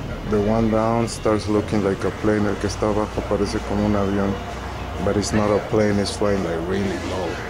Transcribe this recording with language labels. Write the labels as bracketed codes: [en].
[en] The one down starts looking like a plane. [es] El que está abajo parece como un avión. [en] But it's not a plane, it's flying like really low.